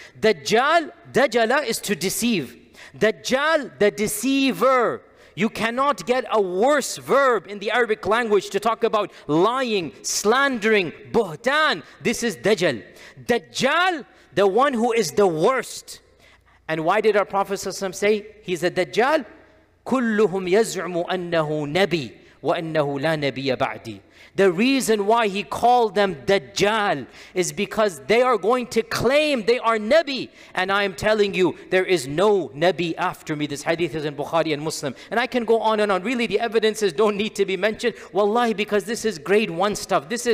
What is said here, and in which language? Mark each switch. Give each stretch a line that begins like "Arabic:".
English: Dajjal, Dajjala, is to deceive. Dajjal, the deceiver. You cannot get a worse verb in the Arabic language to talk about lying, slandering, buhtan. This is Dajjal. Dajjal, the one who is the worst. And why did our Prophet ﷺ say he's a Dajjal?
Arabic: كلهم يزعم أنه نبي وأنه لا نبي بعدي.
English: The reason why he called them Dajjal is because they are going to claim they are Nabi. And I am telling you, there is no Nabi after me. This hadith is in Bukhari and Muslim. And I can go on and on. Really, the evidences don't need to be mentioned. Wallahi, because this is grade one stuff.